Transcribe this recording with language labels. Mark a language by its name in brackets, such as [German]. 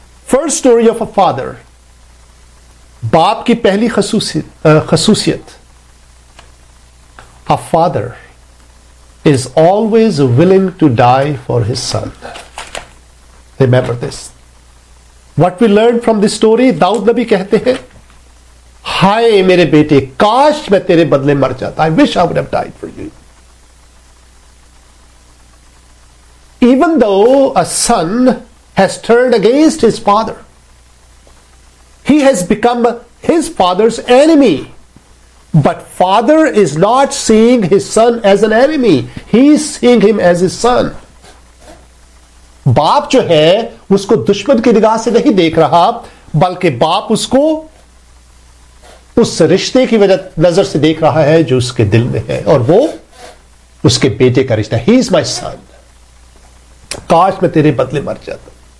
[English] first story of a father, [Urdu] باپ کی پہلی خصوصیت, [English] A father is always willing to die for his son. Remember this. What we learn from this story, Daud Nabi [Urdu] کہتے ہیں, ہائے میرے بیٹے, کاش میں تیرے بدلے مر جاتا, [English] I wish I would have died for you. Even though a son has turned against his father, he has become his father's enemy. But father is not seeing his son as an enemy. He is seeing him as his son. [Urdu] باپ جو ہے اس کو دشمن کی نگاہ سے نہیں دیکھ رہا, بلکہ باپ اس کو اس رشتے کی وجہ نظر سے دیکھ رہا ہے جو اس کے دل میں ہے, اور وہ اس کے بیٹے کا رشتہ. [English] He is my son. [Urdu] کاش میں تیرے بدلے مر جاتا.